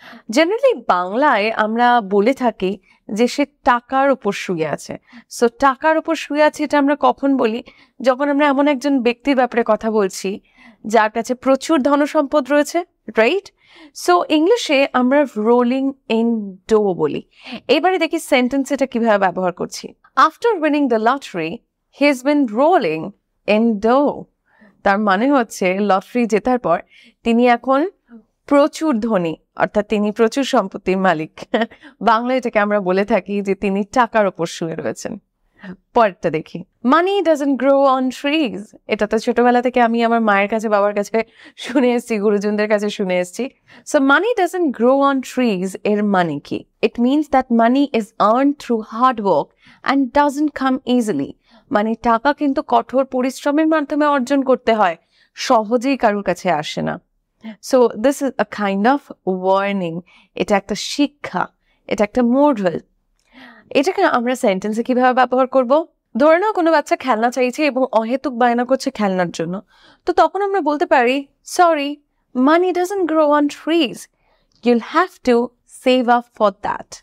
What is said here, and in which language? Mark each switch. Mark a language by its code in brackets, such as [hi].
[bn] Generally বাংলায় আমরা বলে থাকি যে সে টাকার উপর শুয়ে আছে। সো টাকার উপর শুয়ে আছে এটা আমরা কখন বলি? যখন আমরা এমন একজন ব্যক্তির ব্যাপারে কথা বলছি যার কাছে প্রচুর ধনসম্পদ রয়েছে, রাইট? সো ইংলিশে আমরা রোলিং ইন ডো বলি। এবারে দেখি সেন্টেন্স এটা কীভাবে ব্যবহার করছি। [en] After winning the lottery, he has been rolling in dough. [bn] তার মানে হচ্ছে লটারি জেতার পর তিনি এখন প্রচুর ধনী, অর্থাৎ তিনি প্রচুর সম্পত্তির মালিক। বাংলায় এটাকে আমরা বলে থাকি যে তিনি টাকার উপর শুয়ে রয়েছেন। পরেরটা দেখি, [en] Money doesn't grow on trees. [bn] এটা তো ছোটোবেলা থেকে আমি আমার মায়ের কাছে, বাবার কাছে শুনে এসেছি, গুরুজনদের কাছে শুনে এসেছি। [en] so money doesn't grow on trees [bn] এর মানে কি? [en] It means that money is earn through hard work and doesn't come easily. [bn] মানে টাকা কিন্তু কঠোর পরিশ্রমের মাধ্যমে অর্জন করতে হয়, সহজেই কারোর কাছে আসে না। [en] So this is a kind of warning. [bn] এটা একটা শিক্ষা, এটা একটা মোরাল। এটাকে আমরা সেন্টেন্সে কিভাবে ব্যবহার করব? ধরে নাও কোনো বাচ্চা খেলনা চাইছে এবং অহেতুক বায়না করছে খেলনার জন্য, তো তখন আমরা বলতে পারি, [en] Sorry money doesn't grow on trees, you'll have to save up for that.